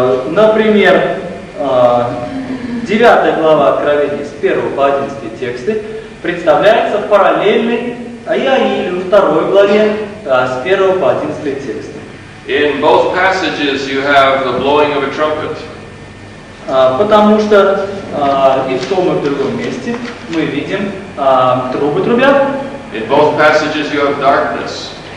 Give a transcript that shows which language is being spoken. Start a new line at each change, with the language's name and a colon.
Russian: Например, 9 глава Откровения с 1 по 11 тексты представляется параллельной Иоилю 2 главе с 1 по 11 тексты.
English: In both passages you have the blowing of a trumpet.
Russian: Потому что и в том, и в другом месте мы видим трубы трубят.
English: In both passages you have darkness.